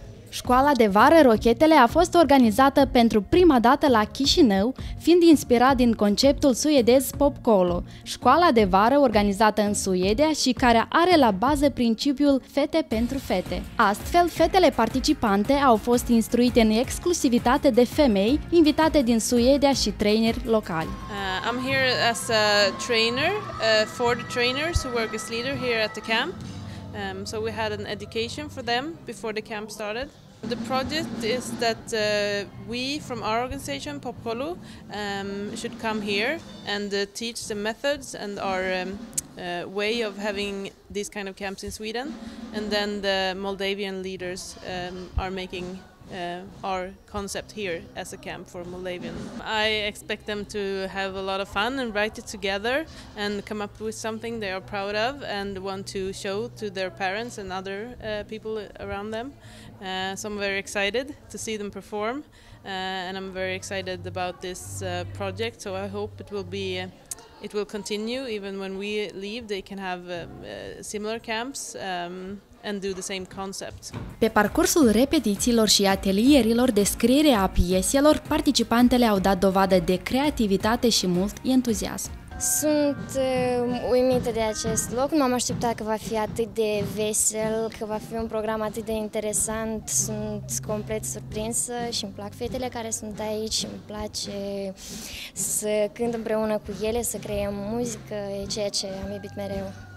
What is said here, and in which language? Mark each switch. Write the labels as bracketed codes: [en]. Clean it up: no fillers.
[ro] Școala de vară Rochetele a fost organizată pentru prima dată la Chișinău, fiind inspirat din conceptul suedez Pop Colo, școala de vară organizată în Suedia și care are la bază principiul fete pentru fete. Astfel, fetele participante au fost instruite în exclusivitate de femei invitate din Suedia și traineri locali. [en] I'm here as a trainer for the trainers who work as leader here at the camp. So we had an education for them before the camp started. The project is that we from our organization, Pop Colo, should come here and teach the methods and our way of having these kind of camps in Sweden. And then the Moldavian leaders are making our concept here as a camp for Moldavian. I expect them to have a lot of fun and write it together and come up with something they are proud of and want to show to their parents and other people around them. So I'm very excited to see them perform and I'm very excited about this project, so I hope it will continue even when we leave. They can have similar camps and do the same concept. [ro] Pe parcursul repetițiilor și atelierilor de scriere a pieselor, participantele au dat dovadă de creativitate și mult entuziasm. Sunt uimită de acest loc, nu am așteptat că va fi atât de vesel, că va fi un program atât de interesant, sunt complet surprinsă și îmi plac fetele care sunt aici, îmi place să cânt împreună cu ele, să creăm muzică, e ceea ce am iubit mereu.